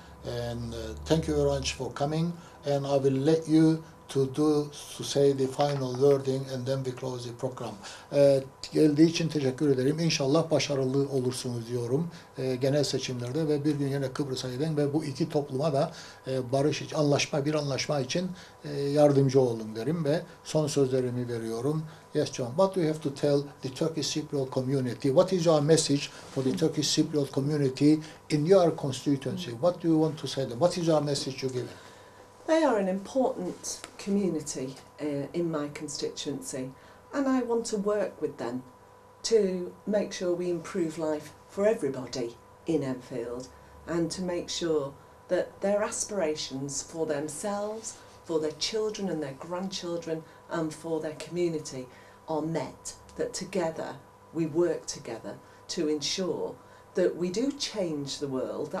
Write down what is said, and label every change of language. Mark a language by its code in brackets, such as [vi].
[en] And thank you very much for coming, and I will let you to say the final wording and then we close the program. [tr] Geldiği için teşekkür ederim. İnşallah başarılı olursunuz diyorum. Genel seçimlerde ve bir gün yine Kıbrıs'a gidin ve bu iki topluma da barış için, anlaşma için yardımcı olun derim ve son sözlerimi veriyorum. [en] Yes, John, what do you have to tell the Turkish Cypriot community? What is your message for the Turkish Cypriot community in your constituency? What do you want to say them? What is your message you give? They are an important community in my constituency, and I want to work with them to make sure we improve life for everybody in Enfield, and to make sure that their aspirations for themselves, for their children and their grandchildren, and for their community are met, that together we work together to ensure that we do change the world.